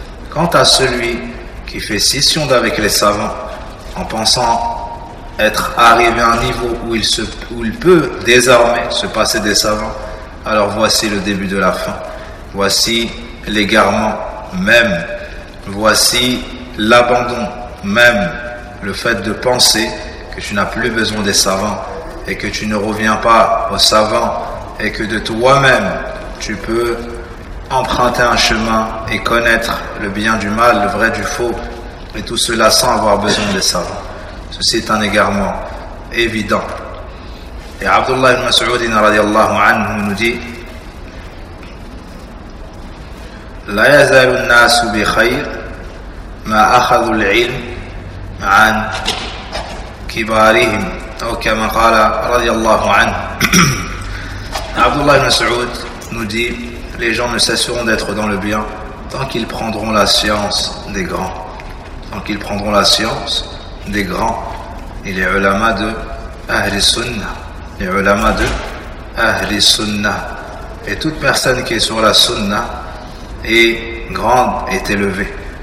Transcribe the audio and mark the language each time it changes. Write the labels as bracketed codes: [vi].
[fr] Quant à celui qui fait scission d'avec les savants en pensant être arrivé à un niveau où il peut désormais se passer des savants, alors voici le début de la fin, voici l'égarement même, voici l'abandon même, le fait de penser que tu n'as plus besoin des savants et que tu ne reviens pas aux savants et que de toi-même tu peux emprunter un chemin et connaître le bien du mal, le vrai du faux, et tout cela sans avoir besoin des savants. Ceci est un égarement évident. Et Abdullah ibn Mas'ud radiallahu anhu nous dit: [ar] لا يزال الناس بخير ما أخذ العلم عن كبارهم أو كما قال رضي الله عنه. [fr] عبد الله بن مسعود nous dit: les gens ne cesseront d'être dans le bien tant qu'ils prendront la science des grands. Tant qu'ils prendront la science des grands, et les ulama de Ahl Sunnah, les ulama de Ahl Sunnah, et toute personne qui est sur la Sunnah est grande et élevée.